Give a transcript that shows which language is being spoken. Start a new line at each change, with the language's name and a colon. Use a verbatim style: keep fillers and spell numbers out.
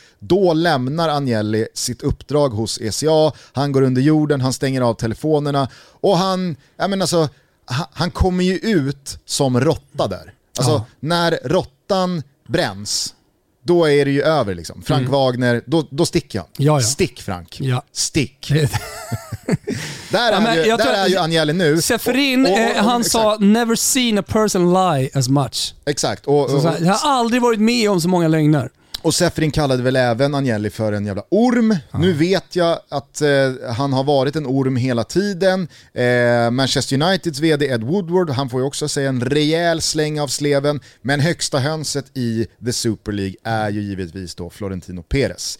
Swedish: Då lämnar Agnelli sitt uppdrag hos E C A, han går under jorden, han stänger av telefonerna och han, jag menar alltså, han kommer ju ut som råtta där. Alltså ja. När råttan bränns, då är det ju över liksom. Frank mm. Wagner, då, då sticker han. Ja, ja. Stick Frank. Ja. Stick. där är, ja, ju, där tror, är ju Agnelli nu. Schäferin, och, och, och, och, han exakt.
English: Sa never seen a person lie as much.
Swedish: Exakt. Och, och, så, jag har aldrig varit med om så många lögner. Och Schäferin kallade väl även Agnelli för en jävla orm. Ja. Nu vet jag att eh, han har varit en orm hela tiden. Eh, Manchester Uniteds vd Ed Woodward, han får ju också säga en rejäl släng av sleven. Men högsta hönset i The Super League är ju givetvis då Florentino Pérez.